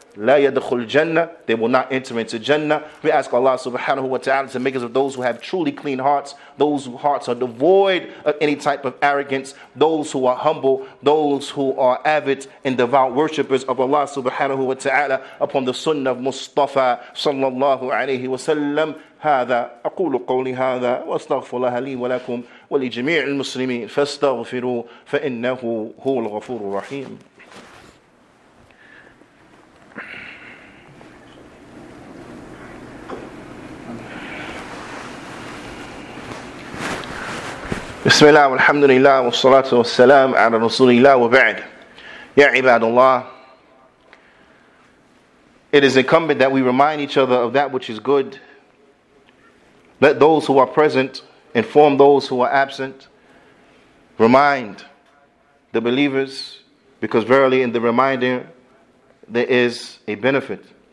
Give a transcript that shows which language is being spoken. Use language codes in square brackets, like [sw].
[ar] La yadkhul jannah, [en] they will not enter into Jannah. We ask Allah subhanahu wa ta'ala to make us of those who have truly clean hearts, those whose hearts are devoid of any type of arrogance, those who are humble, those who are avid and devout worshippers of Allah subhanahu wa ta'ala upon the sunnah of Mustafa sallallahu alayhi wa sallam. [ar] هذا أقول قولي هذا وأستغفر الله لي ولكم ولجميع المسلمين فاستغفروا فإنه هو الغفور الرحيم. بسم الله والحمد لله والصلاة والسلام على رسول الله وبعد يا عباد الله. [en] It is incumbent that we remind each other of that which is good. Let those who are present inform those who are absent. Remind the believers, because verily in the reminder there is a benefit.